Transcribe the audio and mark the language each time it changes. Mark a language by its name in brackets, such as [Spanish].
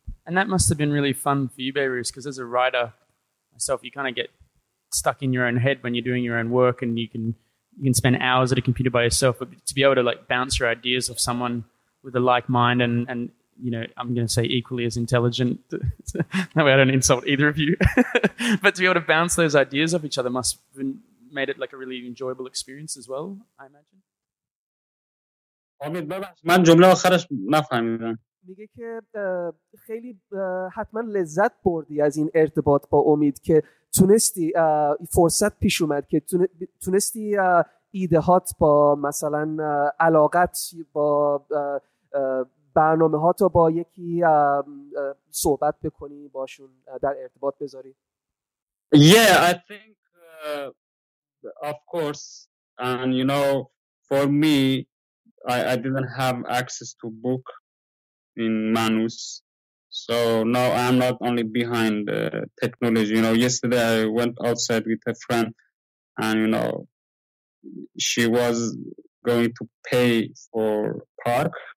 [English] And that must have been really fun for you, Beirut, because as a writer myself, you kind of get stuck in your own head when you're doing your own work, and you can spend hours at a computer by yourself, but to be able to like bounce your ideas off someone with a like mind and you know, I'm going to say equally as intelligent, that way I don't insult either of you, but to be able to bounce those ideas off each other must have been, made it like a really enjoyable experience as well, I imagine. [Persian] من جمله آخرش نفهمیدم. میگه که خیلی حتما لذت بردی از این ارتباط با امید که تونستی فرصت پیش اومد که تونستی ایدهات با مثلا علاقت با برنامه ها تو با یکی صحبت بکنی باشون در ارتباط بذاری؟ [English] Yeah, I think, of course. And you know, for me, I didn't have access to book in Manus. So now I'm not only behind technology. You know, yesterday I went outside with a friend and, you know, she was going to pay for park.